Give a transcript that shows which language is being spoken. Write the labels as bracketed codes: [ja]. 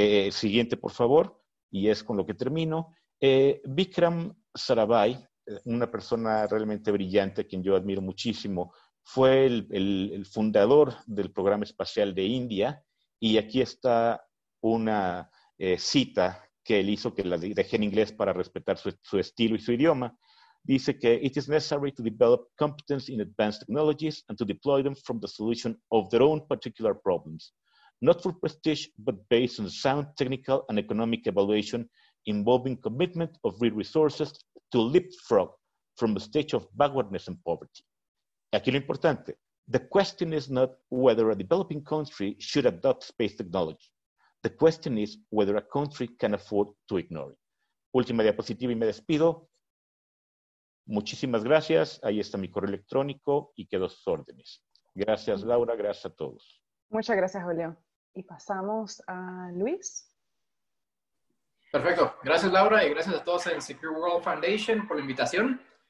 [es] Siguiente, por favor, y es con lo que termino. Vikram Sarabhai, una persona realmente brillante, a quien yo admiro muchísimo, fue el fundador del programa espacial de India, y aquí está una cita que él hizo, que la dejé en inglés para respetar su estilo y su idioma. Dice que [en] it is necessary to develop competence in advanced technologies and to deploy them from the solution of their own particular problems, not for prestige, but based on sound technical and economic evaluation involving commitment of real resources to leapfrog from the stage of backwardness and poverty. [es] Aquí lo importante, [en] the question is not whether a developing country should adopt space technology. The question is whether a country can afford to ignore it. [es] Última diapositiva y me despido. Muchísimas gracias. Ahí está mi correo electrónico y quedo a sus órdenes. Gracias, Laura. Gracias a todos. Muchas gracias, Julio. Y pasamos a Luis. Perfecto. Gracias, Laura, y gracias a todos en Secure World Foundation por la invitación.